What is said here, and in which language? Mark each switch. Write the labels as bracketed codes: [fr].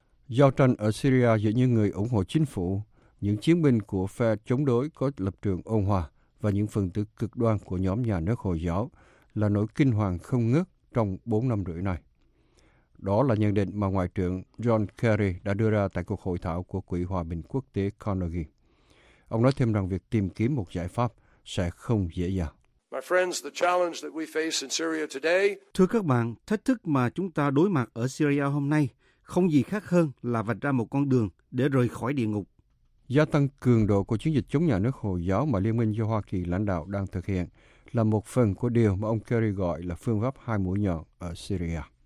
[vi] Giao tranh ở Syria giữa những người ủng hộ chính phủ, những chiến binh của phe chống đối có lập trường ôn hòa và những phần tử cực đoan của nhóm nhà nước Hồi giáo là nỗi kinh hoàng không ngớt trong 4 năm rưỡi này. Đó là nhận định mà Ngoại trưởng John Kerry đã đưa ra tại cuộc hội thảo của Quỹ Hòa bình Quốc tế Carnegie. Ông nói thêm rằng việc tìm kiếm một giải pháp sẽ không dễ dàng. [en] My friends, the challenge that we face in Syria today... [vi] Thưa các bạn, thách thức mà chúng ta đối mặt ở Syria hôm nay không gì khác hơn là vạch ra một con đường để rời khỏi địa ngục. Gia tăng cường độ của chiến dịch chống nhà nước Hồi giáo mà Liên minh do Hoa Kỳ lãnh đạo đang thực hiện là một phần của điều mà ông Kerry gọi là phương pháp hai mũi nhọn ở Syria.